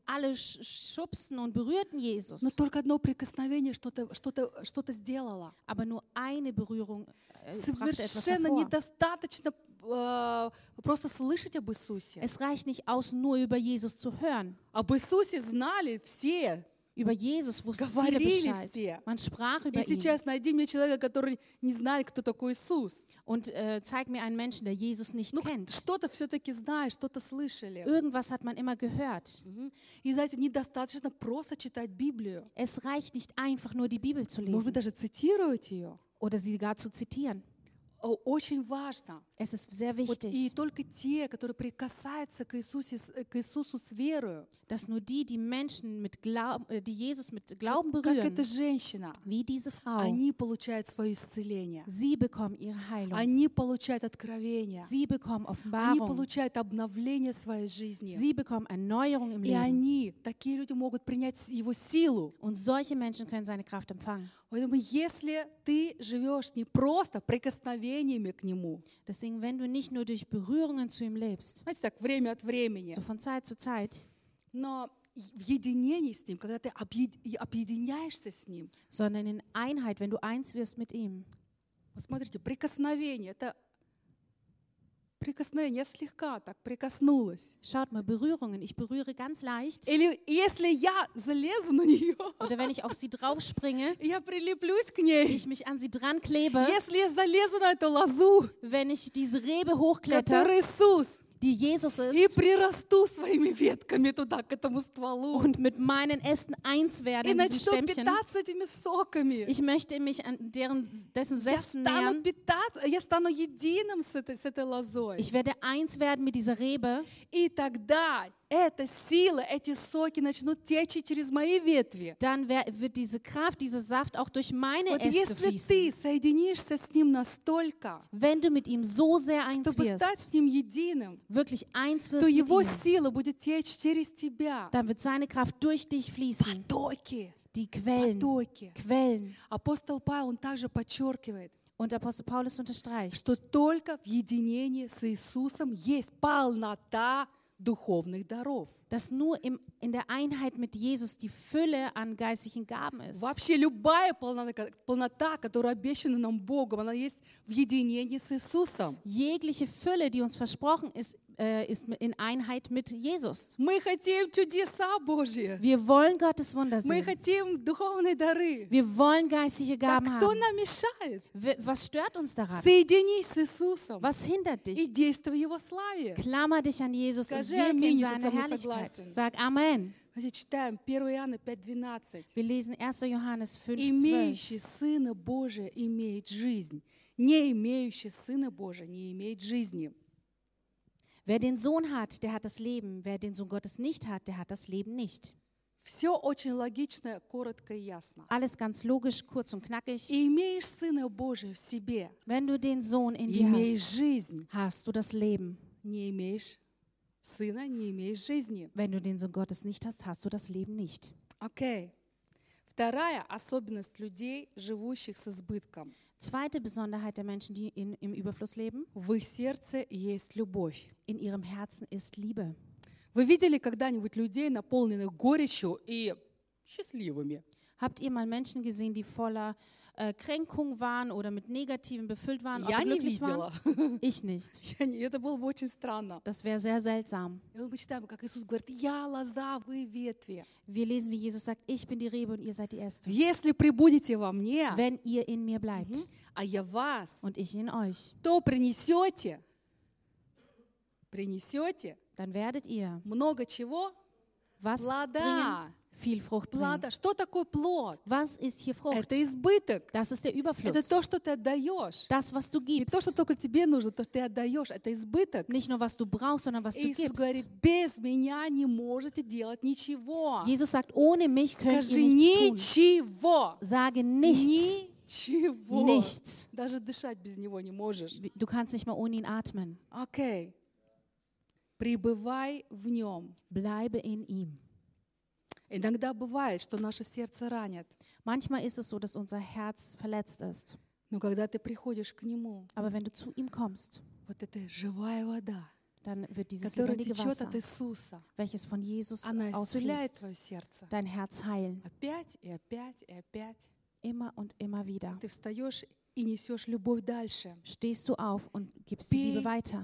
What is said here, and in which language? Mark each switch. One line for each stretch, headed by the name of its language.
German: Alle schubsten und berührten Jesus.
Russian: Но только одно прикосновение что-то сделало.
German: Aber nur eine Berührung
Russian: совершенно недостаточно просто слышать об Иисусе.
German: Es reicht nicht aus, nur über Jesus zu hören.
Russian: Об Иисусе знали все.
German: Über Jesus wussten viele Bescheid.
Russian: Говорили все.
German: Man sprach über ihn.
Russian: И сейчас найди мне человека, который не знает, кто такой Иисус.
German: Und zeig mir einen Menschen, der Jesus nicht kennt.
Russian: Что-то все-таки знаешь, что-то слышали.
German: Irgendwas hat man immer gehört.
Russian: И знаете, недостаточно просто читать Библию.
German: Es reicht nicht einfach nur die Bibel zu lesen.
Russian: Может быть, даже цитировать ее.
German: Oder sie gar zu zitieren.
Russian: Очень важно.
German: Es ist sehr wichtig.
Russian: Вот, и только те, которые прикасаются к Иисусу с верою.
German: Dass nur die Menschen mit Glauben, die Jesus mit Glauben berühren.
Russian: Как эта женщина.
German: Wie diese Frau.
Russian: Они получают свое исцеление.
German: Sie bekommen ihre Heilung.
Russian: Они получают откровение.
German: Sie bekommen Offenbarung.
Russian: Они получают обновление своей жизни.
German: Sie bekommen Erneuerung im
Russian: и
German: Leben.
Russian: И они, такие люди могут принять его силу.
German: Und solche Menschen können seine Kraft empfangen.
Russian: Поэтому если ты живешь не просто прикосновениями к нему.
German: Deswegen, wenn du nicht nur durch Berührungen zu ihm lebst,
Russian: знаете, так, время от времени,
German: so von Zeit zu Zeit,
Russian: но в единении с ним, когда ты объединяешься с ним,
German: sondern in Einheit, wenn du eins wirst mit ihm.
Russian: Посмотрите, прикосновение, это прикосновение, я слегка так прикоснулась.
German: Schaut mal, Berührungen, ich berühre ganz leicht.
Russian: Или если я залезу на нее,
German: oder wenn ich auf sie drauf springe,
Russian: я прилеплюсь к ней,
German: ich mich an sie dran klebe,
Russian: если я залезу на эту лозу,
German: wenn ich diese Rebe hochklettere,
Russian: который Иисус,
German: die Jesus ist,
Russian: и прирасту своими ветками туда, к этому стволу,
German: und mit meinen Ästen eins werde,
Russian: и начну питаться этими соками,
German: ich möchte mich an dessen Säften nähern,
Russian: я стану единым с этой лозой,
German: ich werde eins werden mit dieser Rebe,
Russian: и тогда эта сила, эти соки начнут течь через мои ветви,
German: dann wird diese Kraft, dieser Saft auch durch meine
Russian: вот
German: Äste
Russian: если
German: fließen,
Russian: ты соединишься с ним настолько,
German: wenn du mit ihm so sehr eins
Russian: чтобы
German: wirst,
Russian: стать с ним единым,
German: wirklich eins wirst
Russian: то
German: mit
Russian: его
German: ihm,
Russian: сила будет течь через тебя,
German: dann wird seine Kraft durch dich fließen,
Russian: потоки,
German: die Quellen,
Russian: потоки.
German: Quellen.
Russian: Апостол Павел, он также подчеркивает,
German: und Apostel Paulus unterstreicht,
Russian: что только в единении с Иисусом есть полнота духовных даров.
German: Dass nur in der Einheit mit Jesus die Fülle an geistlichen Gaben ist.
Russian: Вообще любая полнота, которая обещана нам Богом, она есть в единении с Иисусом.
German: Jegliche Fülle, die uns versprochen ist, ist in Einheit mit Jesus.
Russian: Мы хотим чудеса Божьи.
German: Wir wollen Gottes Wunder sehen.
Russian: Мы хотим духовные дары.
German: Wir wollen geistliche Gaben haben.
Russian: Кто нам мешает?
German: Was stört uns daran?
Russian: Соединись с Иисусом.
German: Was hindert dich?
Russian: И действуй его славе.
German: Klammer dich an Jesus und wirke in seiner Herrlichkeit. Sag Amen.
Russian: Мы читаем 1 Иоанна 5:12.
German: Wir lesen 1. Johannes 5:12.
Russian: Имеющий Сына Божия имеет жизнь. Не имеющий Сына Божия не имеет жизни.
German: Wer den Sohn hat, der hat das Leben. Wer den Sohn Gottes nicht hat, der hat das Leben nicht.
Russian: Все очень логично, коротко и ясно.
German: Alles ganz logisch, kurz und knackig.
Russian: И имеешь Сына Божия в себе.
German: Wenn du den Sohn in dir
Russian: имеешь
German: hast,
Russian: жизнь.
German: Hast du das Leben.
Russian: Не имеешь Сына не имеешь жизни.
German: Wenn du den Sohn Gottes nicht hast, hast du das Leben nicht.
English: Okay.
Russian: Вторая особенность людей, живущих с избытком.
German: Zweite Besonderheit der Menschen, die in, im Überfluss leben.
Russian: В их сердце есть любовь.
German: In ihrem Herzen ist Liebe.
Russian: Вы видели когда-нибудь людей, наполненных горечью и счастливыми?
German: Habt ihr mal Menschen gesehen, die voller Kränkung waren oder mit Negativen befüllt waren, aber glücklich waren? Ich nicht.
Russian: Это было бы очень странно.
German: Das wäre sehr seltsam.
Russian: Мы читаем, как Иисус говорит: «Я лоза, вы ветви».
German: Wir lesen, wie Jesus sagt: «Ich bin die Rebe und ihr seid die Äste».
Russian: Если пребудете во мне,
German: wenn ihr in mir bleibt,
Russian: а я вас,
German: und ich in euch,
Russian: то принесете, принесете,
German: dann werdet ihr
Russian: много чего,
German: was
Russian: плода.
German: Bringen? Viel Frucht
Russian: плода. Что такое плод?
German: Was ist hier Frucht?
Russian: Это избыток.
German: Das ist der Überfluss.
Russian: Это то, что ты отдаешь.
German: Das, was du gibst.
Russian: И то, что только тебе нужно, то, что ты отдаешь. Это избыток.
German: Nicht nur, was du brauchst, sondern was
Russian: Иисус
German: du gibst.
Russian: Говорит, без меня не можете делать ничего.
German: Jesus sagt, ohne mich könnt ihr nichts
Russian: ничего.
German: Tun. Sage nichts.
Russian: Ничего.
German: Nichts.
Russian: Даже дышать без него не можешь.
German: Du kannst nicht mal ohne ihn atmen.
Russian: Okay. Пребывай в нем.
German: Bleibe in ihm.
Russian: Иногда бывает, что наше сердце ранит.
German: Manchmal ist es so, dass unser Herz verletzt ist.
Russian: Но когда ты приходишь к нему,
German: aber wenn du zu ihm kommst,
Russian: вот эта живая вода,
German: dann wird dieses lebendige Wasser,
Russian: от Иисуса,
German: welches von Jesus ausfließt, dein Herz heilen.
Russian: Опять и опять и опять.
German: Immer und immer wieder.
Russian: Ты встаешь и несешь любовь дальше.
German: Stehst du auf und gibst die Liebe weiter.